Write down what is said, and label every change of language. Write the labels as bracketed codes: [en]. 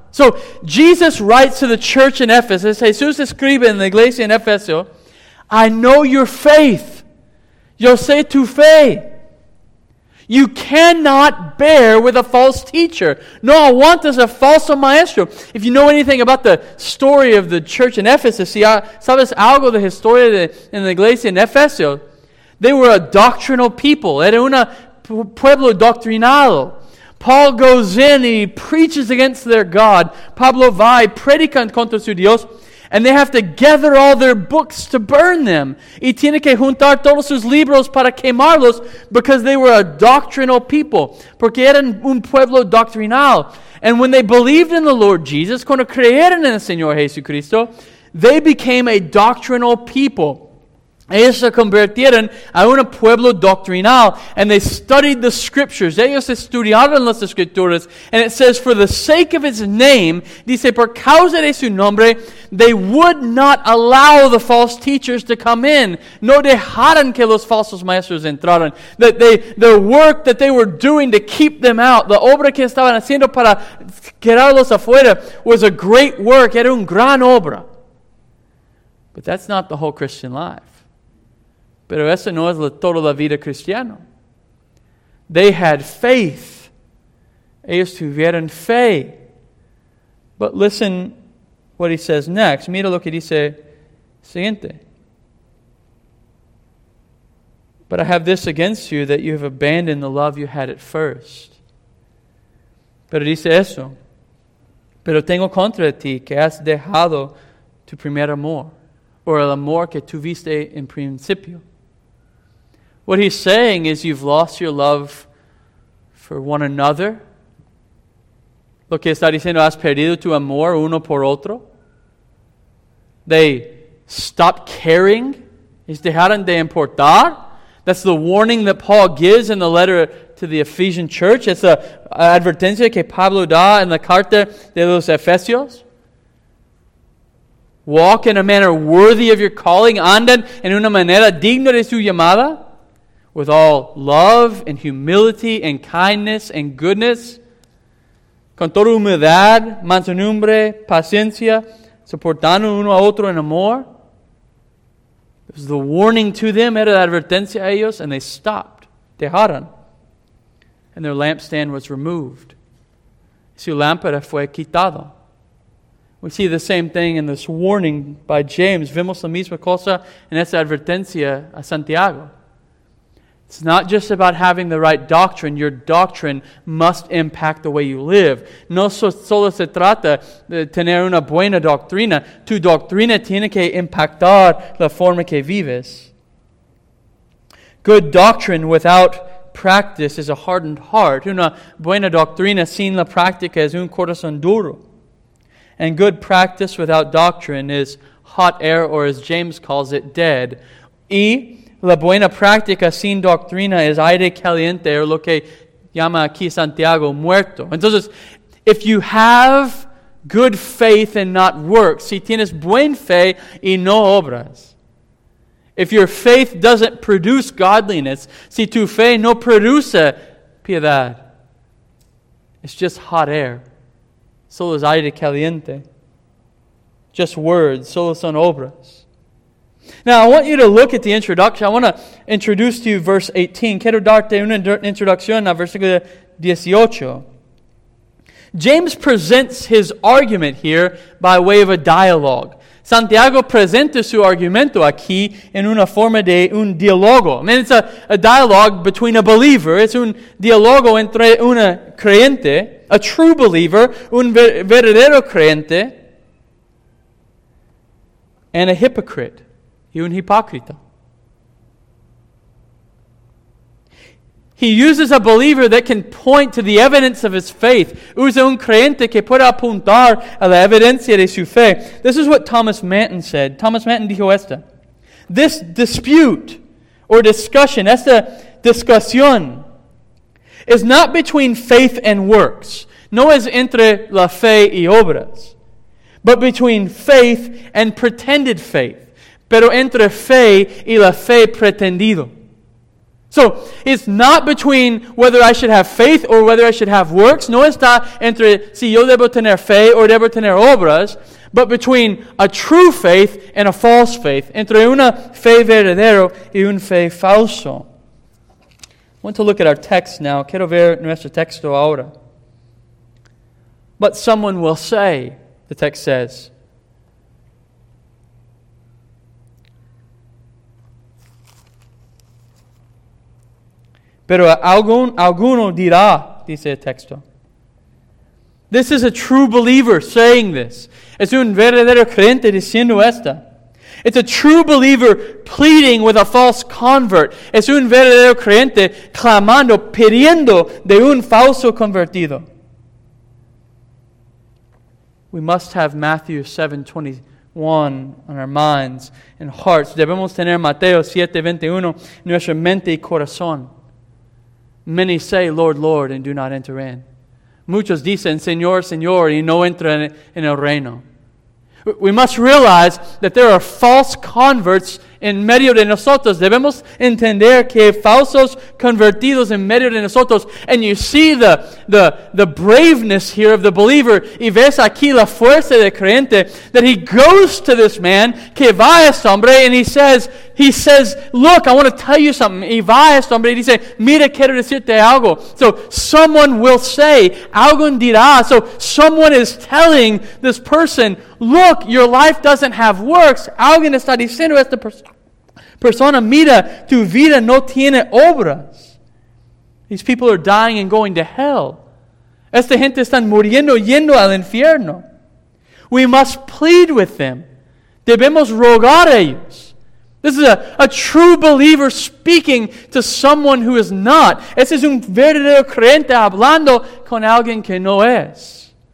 [en] So, Jesus writes to the church in Ephesus. [es] Jesús escribe en la iglesia en Éfeso. [en] I know your faith. [es] Yo sé tu fe. [en] You cannot bear with a false teacher. [es] No aguantas a falso maestro. [en] If you know anything about the story of the church in Ephesus, [es] si sabes algo de historia en la iglesia en Éfeso, [en] they were a doctrinal people. [es] Era un pueblo doctrinal. [en] Paul goes in and he preaches against their God. [es] Pablo va y predica contra su Dios. [en] And they have to gather all their books to burn them. [es] Y tiene que juntar todos sus libros para quemarlos [en] because they were a doctrinal people. [es] Porque eran un pueblo doctrinal. [en] And when they believed in the Lord Jesus, [es] cuando creyeron en el Señor Jesucristo, [en] they became a doctrinal people. [es] Ellos se convirtieron a un pueblo doctrinal, [en] and they studied the scriptures. [es] Ellos estudiaron las escrituras, [en] and it says, for the sake of his name, [es] dice, por causa de su nombre, [en] they would not allow the false teachers to come in. [es] No dejaron que los falsos maestros entraran. [en] That they, the work that they were doing to keep them out, [es] la obra que estaban haciendo para quedarlos afuera, [en] was a great work, [es] era un gran obra. [en] But that's not the whole Christian life. [es] Pero eso no es toda la vida cristiana. [en] They had faith. [es] Ellos tuvieron fe. [en] But listen what he says next. [es] Mira lo que dice siguiente. [en] But I have this against you, that you have abandoned the love you had at first. [es] Pero dice eso. Pero tengo contra ti que has dejado tu primer amor, or el amor que tuviste en principio. [en] What he's saying is you've lost your love for one another. [es] Lo que está diciendo, has perdido tu amor uno por otro. [en] They stopped caring. [es] Es dejaron de importar. [en] That's the warning that Paul gives in the letter to the Ephesian church. [es] It's an advertencia que Pablo da en la carta de los Efesios. [en] Walk in a manner worthy of your calling. [es] Anden en una manera digna de su llamada. [en] With all love and humility and kindness and goodness. [es] Con toda humildad, mansedumbre, paciencia, soportando uno a otro en amor. [en] It was the warning to them, [es] era la advertencia a ellos, [en] and they stopped. [es] Dejaron. [en] And their lampstand was removed. [es] Su lámpara fue quitada. [en] We see the same thing in this warning by James. [es] Vemos la misma cosa en esa advertencia a Santiago. [en] It's not just about having the right doctrine. Your doctrine must impact the way you live. [es] No solo se trata de tener una buena doctrina. Tu doctrina tiene que impactar la forma que vives. [en] Good doctrine without practice is a hardened heart. [es] Una buena doctrina sin la práctica es un corazón duro. [en] And good practice without doctrine is hot air, or as James calls it, dead. [es] Y la buena práctica sin doctrina es aire caliente, [en] or [es] lo que llama aquí Santiago, muerto. Entonces, [en] if you have good faith and not works, [es] si tienes buen fe y no obras, [en] if your faith doesn't produce godliness, [es] si tu fe no produce piedad, [en] it's just hot air. [es] Solo es aire caliente. [en] Just words, [es] solo son obras. [en] Now, I want you to look at the introduction. I want to introduce to you verse 18. [es] Quiero darte una introducción a versículo 18. [en] James presents his argument here by way of a dialogue. [es] Santiago presenta su argumento aquí en una forma de un diálogo. [en] I mean, it's a dialogue between a believer. [es] It's un diálogo entre una creyente, [en] a true believer, [es] un verdadero creyente, [en] and a hypocrite. [es] Y un hipócrita. [en] He uses a believer that can point to the evidence of his faith. [es] Usa un creyente que puede apuntar a la evidencia de su fe. [en] This is what Thomas Manton said. [es] Thomas Manton dijo esto. [en] This dispute or discussion, [es] esta discusión, [en] is not between faith and works. [es] No es entre la fe y obras. [en] But between faith and pretended faith. [es] Pero entre fe y la fe pretendido. [en] So, it's not between whether I should have faith or whether I should have works. [es] No está entre si yo debo tener fe o debo tener obras. [en] But between a true faith and a false faith. [es] Entre una fe verdadero y un fe falso. [en] I want to look at our text now. [es] Quiero ver nuestro texto ahora. [en] But someone will say, the text says, [es] pero alguno dirá, dice el texto. [en] This is a true believer saying this. [es] Es un verdadero creyente diciendo esto. [en] It's a true believer pleading with a false convert. [es] Es un verdadero creyente clamando, pidiendo de un falso convertido. [en] We must have Matthew 7:21 on our minds and hearts. [es] Debemos tener Mateo 7:21 en nuestra mente y corazón. [en] Many say, Lord, Lord, and do not enter in. [es] Muchos dicen, Señor, Señor, y no entran en el reino. [en] We must realize that there are false converts [es] en medio de nosotros. Debemos entender que hay falsos convertidos en medio de nosotros. [en] And you see the braveness here of the believer. [es] Y ves aquí la fuerza del creyente. [en] That he goes to this man, [es] que va a este hombre, [en] and he says, look, I want to tell you something. [es] Y va a este hombre, y dice, mira, quiero decirte algo. [en] So someone will say, alguien dirá. So someone is telling this person, look, your life doesn't have works. [es] Alguien está diciendo a esta persona. Persona, mira, tu vida no tiene obras. [en] These people are dying and going to hell. [es] Esta gente están muriendo yendo al infierno. [en] We must plead with them. [es] Debemos rogar a ellos. [en] This is a true believer speaking to someone who is not. [es] Este es un verdadero creyente hablando con alguien que no es.